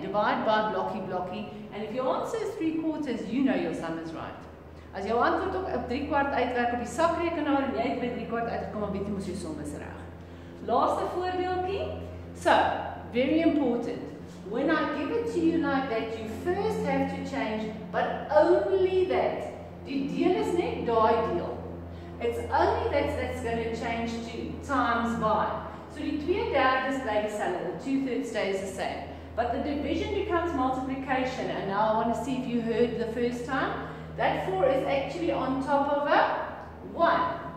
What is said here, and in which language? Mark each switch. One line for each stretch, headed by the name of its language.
English: Divide by blocky blocky. And if your answer is 3 quarters, you know your sum is right.
Afrikaans: As jou antwoord ook op 3 kwart uitwerk op die sakrekenaar en jy het met 3 kwart uitgekom, dan weet jy mos jou som is reg. Laaste voorbeeldjie.
English: So, very important. When I give it to you like that, you first have to change, but only that.
Afrikaans: Die deel is net daai deel.
English: It's only that that's going to change to times by.
Afrikaans: So die 2 derde bly dieselfde,
English: the 2 thirds stays the same. But the division becomes multiplication. And now I want to see if you heard the first time. That 4 is actually on top of a 1.